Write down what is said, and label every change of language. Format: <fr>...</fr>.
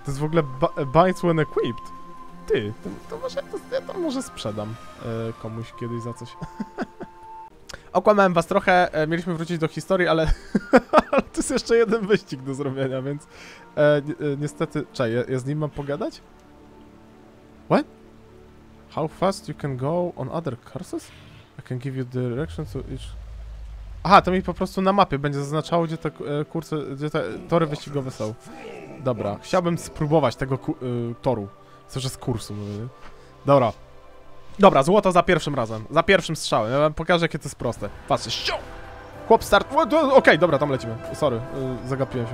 <pl>To jest w ogóle</pl> <en>binds when equipped.</en> <pl>Ty, to może sprzedam komuś kiedyś za coś. Okłamałem was trochę, mieliśmy wrócić do historii, ale to jest jeszcze jeden wyścig do zrobienia, więc niestety... Czekaj, ja z nim mam pogadać?</pl> <en>What? How fast you can go on other courses? I can give you direction to each...</en> <pl>Aha, to mi po prostu na mapie będzie zaznaczało, gdzie te kursy, gdzie te tory wyścigowe są. Dobra, chciałbym spróbować tego toru. Co, że z kursu mówię. Dobra. Dobra, złoto za pierwszym razem. Za pierwszym strzałem. Ja wam pokażę, jakie to jest proste. Patrzcie, ściu! Chłop start... Okej, dobra, tam lecimy. Sorry, zagapiłem się.</pl>